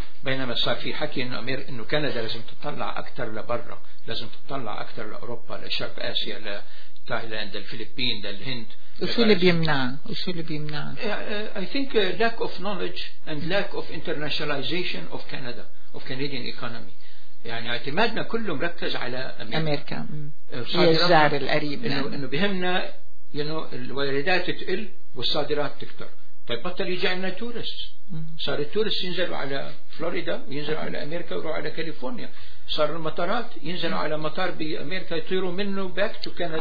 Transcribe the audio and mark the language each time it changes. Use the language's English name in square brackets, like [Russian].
[Arabic] بينما صار في حكي انه كندا لازم تطلع اكثر لبرا، لازم تطلع اكثر لاوروبا لشرق اسيا لتايلاند للفلبين للهند. وشو اللي بيمنع [English] I think lack of knowledge and lack of internationalization of Canada of Canadian economy. [Arabic] يعني اعتمادنا كله مركز على امريكا هي الجار القريب لنا. انه بهمنا الواردات تقل والصادرات تكثر. طيب بطل يجي عندنا تورست، صار التورس ينزلوا على فلوريدا ينزلوا على أمريكا ويروحوا على كاليفورنيا، صار المطارات ينزلوا على مطار بأمريكا يطيروا منه [English] back to Canada